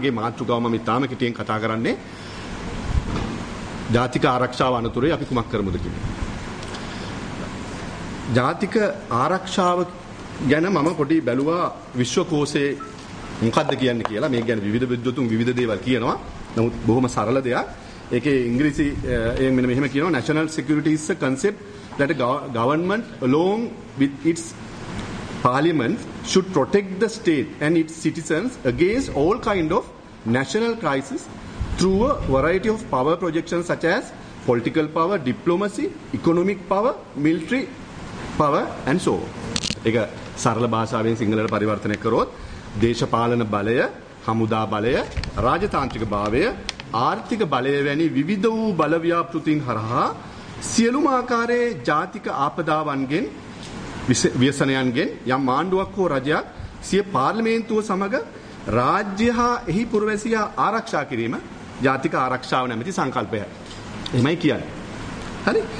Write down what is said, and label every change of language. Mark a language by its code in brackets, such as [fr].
[si] මගේ මාතෘකාව මම ඉතාම කෙටියෙන් කතා කරන්නේ ජාතික ආරක්ෂාව අනතුරේ අපි කුමක් කරමුද කියන්නේ. ජාතික ආරක්ෂාව ගැන මම පොඩි බැලුවා විශ්වකෝෂයේ මොකද්ද කියන්නේ කියලා. මේ ගැන විවිධ විද්වතුන් විවිධ දේවල් කියනවා. නමුත් බොහොම සරල දෙයක්. ඒකේ ඉංග්‍රීසි මෙන්න මෙහෙම කියනවා, [en] National Security is a concept that a government along with its parliament should protect the state and its citizens against all kind of national crisis through a variety of power projections such as political power, diplomacy, economic power, military power and so on. [si] ඒක සරල භාෂාවෙන් සිංහලට පරිවර්තනය කරොත් දේශපාලන බලය, හමුදා බලය, රාජතාන්ත්‍රික භාවය, ආර්ථික බලය වැනි විවිධ වූ බල ව්‍යාපෘතීන් හරහා සියලුම ආකාරයේ ජාතික ආපදාවන්ගෙන්, ව්‍යසනයන්ගෙන් යම් ආණ්ඩුවක් හෝ රජයක් සිය පාර්ලිමේන්තුව සමග රාජ්‍ය හා එහි පුරවැසියා ආරක්ෂා කිරීම ජාතික ආරක්ෂාව නැමැති සංකල්පය. එහෙමයි කියන්නේ. හරි.